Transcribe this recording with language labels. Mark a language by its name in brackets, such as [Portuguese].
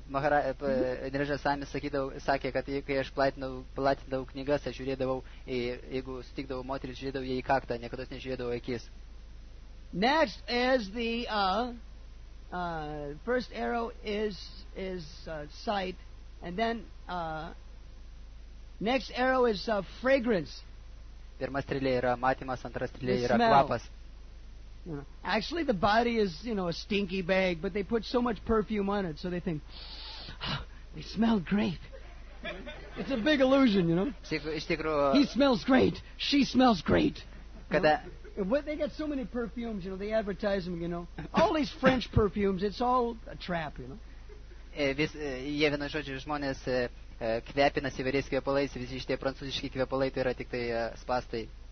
[Lithuanian] Niranjan Maharaj sakė, kad kai aš platindavau knygas, aš žiūrėdavau, jeigu sutikdavau moterį, žiūrėdavau jai į kaktą, niekada nežiūrėdavau akis. [English] Next is the first arrow is sight, and then next arrow is fragrance. [Lithuanian] Pirma strėlė yra matymas, antra strėlė yra kvapas. [English] Actually the body is, you know, a stinky bag, but they put so much perfume on it, so they think, they smell great. It's a big illusion, you know. He smells great, she smells great. [Lithuanian] Kada? [English] What, they get so many perfumes, you know, they advertise them, you know. All these French perfumes, it's all a trap, you know. [Lithuanian] Jie vienas žodžiu, žmonės kvepinasi įvairiais kvepalais, visi šitie prancūziški kvepalai tai yra tik tai spastai.